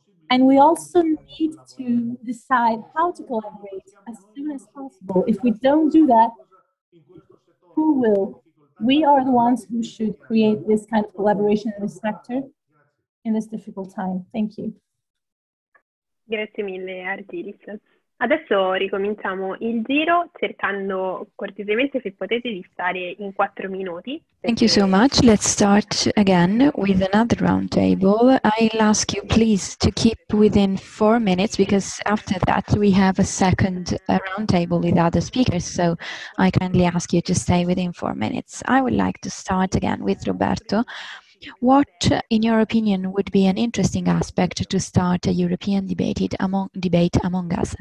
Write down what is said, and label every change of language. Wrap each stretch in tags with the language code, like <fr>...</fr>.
<en>And we also need to decide how to collaborate as soon as possible. If we don't do that, who will? We are the ones who should create this kind of collaboration in this sector in this difficult time. Thank you.</en> <it>Grazie mille, Artiris. Adesso ricominciamo il giro cercando cortesemente se potete di stare in 4 minuti.</it> <en>Thank you so much. Let's start again with another round table. I'll ask you please to keep within 4 minutes because after that we have a second round table with other speakers. So I kindly ask you to stay within 4 minutes. I would like to start again with Roberto. What, in your opinion, would be an interesting aspect to start a European debate among us?</en>